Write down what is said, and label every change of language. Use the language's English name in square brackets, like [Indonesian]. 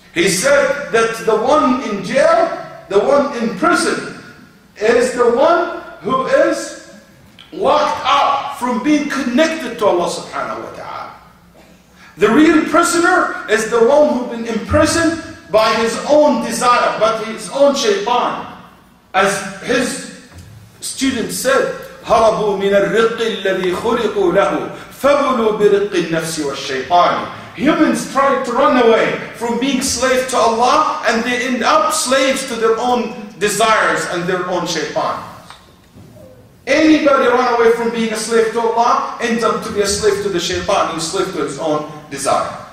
[English] He said that the one in jail, the one in prison, is the one who is locked up from being connected to Allah subhanahu wa ta'ala. The real prisoner is the one who's been imprisoned by his own desire, by his own shaytan. As his student said, [Arabic] هَرَبُوا مِنَ الرِّقِ الَّذِي خُلِقُوا لَهُ فَبُلُوا بِرِقِ النَّفْسِ وَالشَّيْطَانِ. [English] Humans try to run away from being slaves to Allah, and they end up slaves to their own desires and their own shaitan. Anybody run away from being a slave to Allah ends up to be a slave to the shaitan and slave to his own desire.